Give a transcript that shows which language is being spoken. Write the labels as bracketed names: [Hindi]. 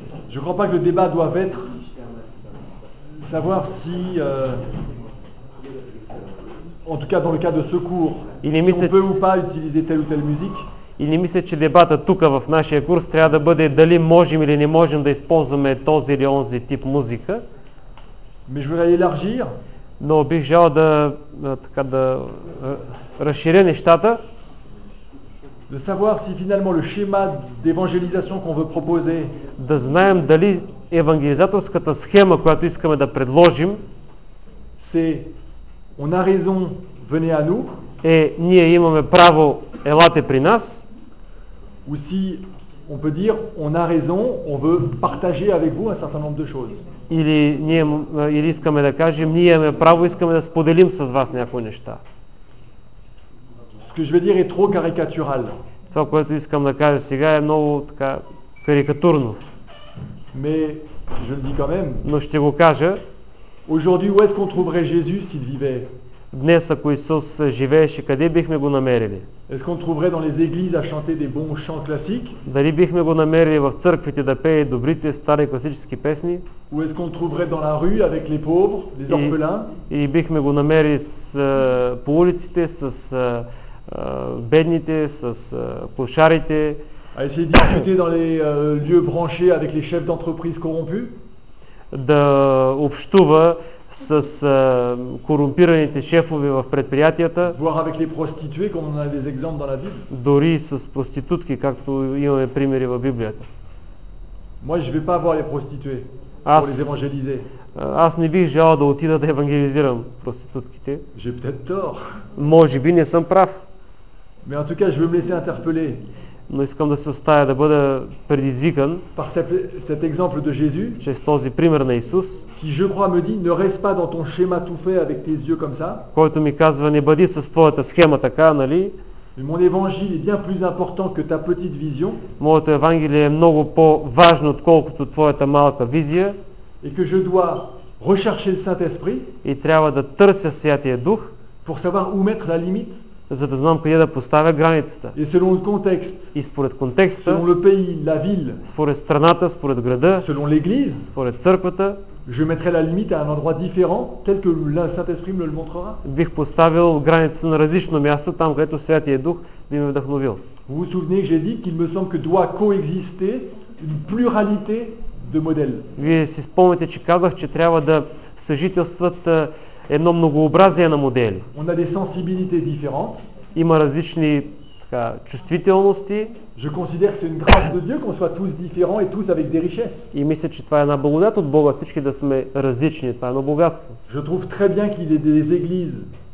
[French] Je ne crois pas que le débat doive être savoir si, en tout cas dans le cas de secours, si on peut ou pas utiliser telle ou telle musique. [Bulgarian] И не мисля, че дебатът тук в нашия курс трябва да бъде дали можем или не можем да използваме този или онзи тип музика. [French] Mais je voudrais élargir. [Bulgarian] Но бих желал да така да разширя нещата. [French] De savoir si finalement le schéma d'évangélisation qu'on veut proposer. [Bulgarian] Да знаем дали евангелизаторската схема, която искаме да предложим, [French] c'est on a raison, venez à nous. [Bulgarian] Е, ние имаме право, елате при нас. [French] Ou si on peut dire on a raison, on veut partager avec vous un certain nombre de choses. [Bulgarian] Или искаме да кажем, ние имаме право, искаме да споделим с вас някои неща. [French] Ce que je veux dire est trop caricatural. [Bulgarian] Това, което искам да кажа сега, е много така карикатурно. [French] Mais je le dis quand même. [Bulgarian] Но ще го кажа. [French] Aujourd'hui, où est-ce qu'on trouverait Jésus s'il vivait? [Bulgarian] Днес, ако Исус живееше, къде бихме го намерили? [French] Est-ce qu'on trouverait dans les églises à chanter des bons chants classiques? [Bulgarian] Дали бихме го намерили в църквите да пее добрите стари класически песни? [French] Ou est-ce qu'on trouverait dans la rue avec les pauvres, les orphelins? [Bulgarian] И бихме го намерили по улиците с бедните, с клошарите. [French] À essayer de discuter dans les lieux branchés avec les chefs d'entreprise corrompus? [Bulgarian] Да общува с корумпираните шефове в предприятията. [French] Voir avec les prostituées comme on a des exemples dans la Bible. [Bulgarian] Дори с проститутки, както имаме примери в Библията. [French] Moi je vais pas voir les prostituées. Pour les évangéliser. [Bulgarian] Аз не бих желал да отида да евангелизирам проститутките. [French] J'ai peut-être tort. [Bulgarian] Може би не съм прав. [French] Mais en tout cas, je veux me laisser interpeller. [Bulgarian] Но искам да се оставя да бъда предизвикан. [French] Par cet exemple de Jésus. [Bulgarian] Чрез този пример на Исус. [French] Qui je crois me dit ne reste pas dans ton schéma tout fait avec tes yeux comme ça. [Bulgarian] Който ми казва не бъди с твоята схема така, нали? [French] Mon évangile est bien plus important que ta petite vision. [Bulgarian] Моето евангелие е много по-важно отколкото твоята малка визия. [French] Et que je dois rechercher le Saint-Esprit. [Bulgarian] И трябва да търся Святия Дух. [French] Pour savoir où mettre la limite. [Bulgarian] За да знам къде да поставя границата. [French] Et selon le contexte. [Bulgarian] И според контекста. [French] Selon le pays, la ville. [Bulgarian] Според страната, според града. [French] Selon l'église. [Bulgarian] Според църквата. [French] Je mettrai la limite à un endroit différent, tel que le Saint-Esprit me le montrera. [Bulgarian] Бих поставил граница на различно място, там където Святия Дух би ме вдъхновил. [French] Vous vous souvenez que j'ai dit qu'il me semble que doit coexister une pluralité de modèles. [Bulgarian] Вие си спомняте, че казах, че трябва да съжителстват едно многообразие на модели. [French] On a des sensibilités différentes. [Bulgarian] Има различни така чувствителности. [French] Je considère que c'est une grâce de Dieu qu'on soit tous différents et tous avec des richesses. [Bulgarian] И мисля, че това е една благодат от Бога, всички да сме различни, това е едно богатство. [French] Je trouve très bien qu'il ait des églises.